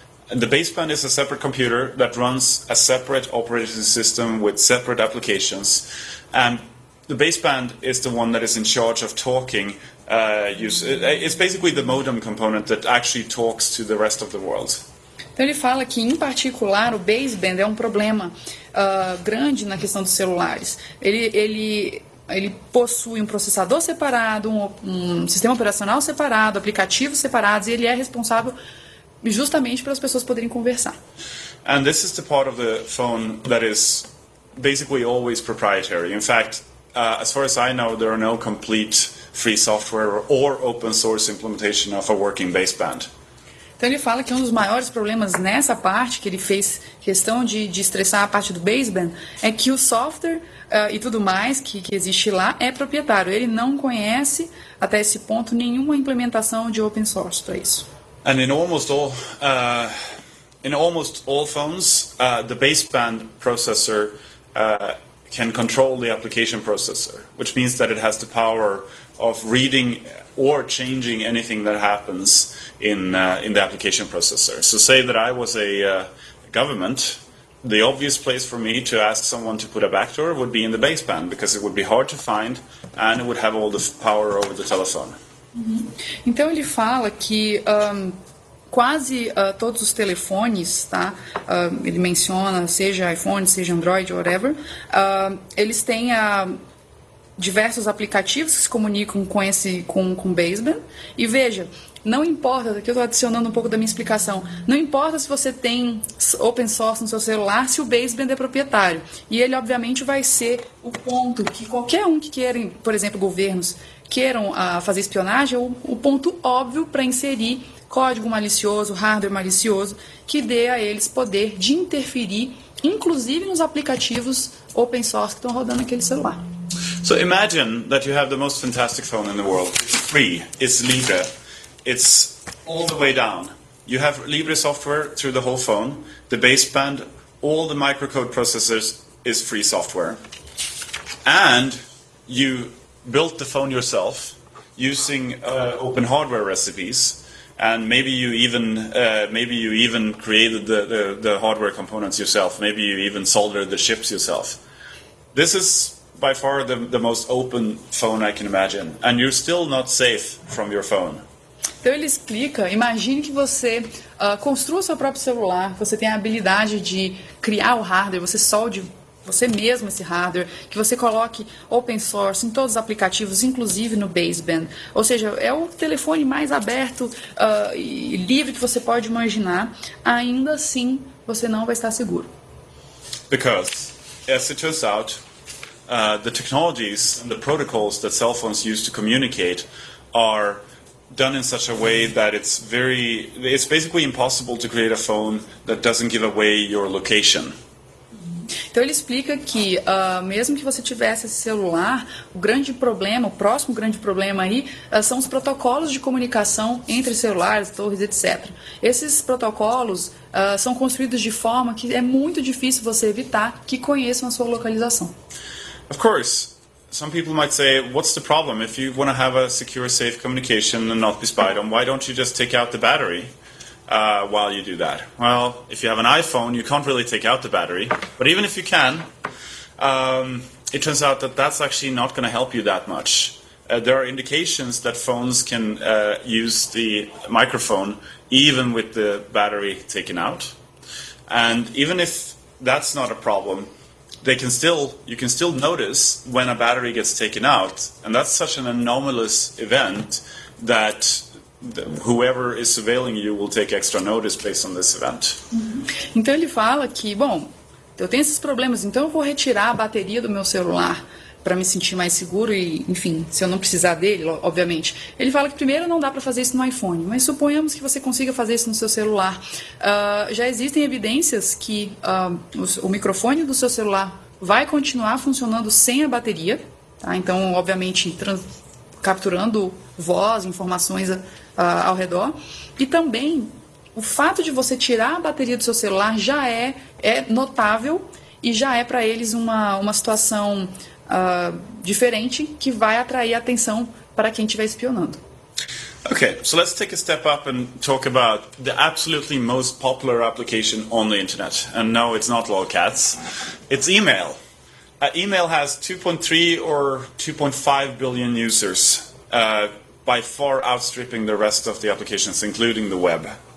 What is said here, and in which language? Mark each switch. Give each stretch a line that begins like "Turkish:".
English: And the baseband is a separate computer that runs a separate operating system with separate applications. And the baseband is the one that is in charge of talking. It's basically the modem component that actually talks to the rest of the world.
Portuguese: Então ele fala que, em particular, o baseband é um problema grande na questão dos celulares. Ele possui um processador separado, um sistema operacional separado, aplicativos separados, e ele é responsável justamente para as pessoas poderem conversar.
English: And this is the part of the phone that is basically always proprietary. In fact, as far as I know, there are no complete free software or open source implementation of a working baseband.
Portuguese: Então ele fala que um dos maiores problemas nessa parte, que ele fez questão de estressar a parte do baseband, é que o software e tudo mais que existe lá é proprietário. Ele não conhece, até esse ponto, nenhuma implementação de open source para isso.
English: And in almost all phones, the baseband processor can control the application processor, which means that it has the power of reading or changing anything that happens in the application processor. So say that I was a government, the obvious place for me to ask someone to put a backdoor would be in the baseband, because it would be hard to find and it would have all the power over the telephone. Uhum.
Portuguese: Então ele fala que quase todos os telefones, tá? Ele menciona, seja iPhone, seja Android, whatever, eles têm a diversos aplicativos que se comunicam com esse com baseband. E veja, não importa, aqui eu estou adicionando um pouco da minha explicação, não importa se você tem open source no seu celular, se o baseband é proprietário. E ele, obviamente, vai ser o ponto que qualquer um que queira, por exemplo, governos, queiram fazer espionagem, o ponto óbvio para inserir código malicioso, hardware malicioso, que dê a eles poder de interferir, inclusive nos aplicativos open source que estão rodando naquele celular.
English: So imagine that you have the most fantastic phone in the world. It's free. It's Libre. It's all the way down. You have Libre software through the whole phone. The baseband, all the microcode processors is free software. And you built the phone yourself using open hardware recipes. And maybe you even created the hardware components yourself. Maybe you even soldered the chips yourself. This is by far the most open phone I can imagine, and you're still not safe from your phone.
Portuguese: Então ele explica, imagine que você construa seu próprio celular, você tem a habilidade de criar o hardware, você solde você mesmo esse hardware, que você coloque open source em todos os aplicativos, inclusive no baseband. Ou seja, é o telefone mais aberto e livre que você pode imaginar, ainda assim você não vai estar seguro.
English: Because, as it turns out, the technologies and the protocols that cell phones use to communicate are done in such a way that it's basically impossible to create a phone that doesn't give away your location.
Portuguese: Então ele explica que mesmo que você tivesse esse celular, o grande problema, o próximo grande problema aí são os protocolos de comunicação entre celulares, torres, etc. Esses protocolos são construídos de forma que é muito difícil você evitar que conheçam a sua localização.
English: Of course. Some people might say, what's the problem? If you want to have a secure, safe communication and not be spied on, why don't you just take out the battery while you do that? Well, if you have an iPhone, you can't really take out the battery. But even if you can, it turns out that that's actually not going to help you that much. There are indications that phones can use the microphone even with the battery taken out. And even if that's not a problem, you can still notice when a battery gets taken out, and that's such an anomalous event that whoever is surveilling you will take extra notice based on this event. Uhum.
Portuguese: Então ele fala que, bom, eu tenho esses problemas, então eu vou retirar a bateria do meu celular para me sentir mais seguro e, enfim, se eu não precisar dele, obviamente. Ele fala que primeiro não dá para fazer isso no iPhone, mas suponhamos que você consiga fazer isso no seu celular. Já existem evidências que o microfone do seu celular vai continuar funcionando sem a bateria, tá? Então, obviamente, capturando voz, informações ao redor. E também, o fato de você tirar a bateria do seu celular já é notável e já é para eles uma situação... diferente, que vai atrair atenção para quem estiver espionando.
English: Okay, so let's take a step up and talk about the absolutely most popular application on the internet. And no, it's not lolcats. It's email. Email has 2.3 or 2.5 billion users, by far outstripping the rest of the applications, including the web.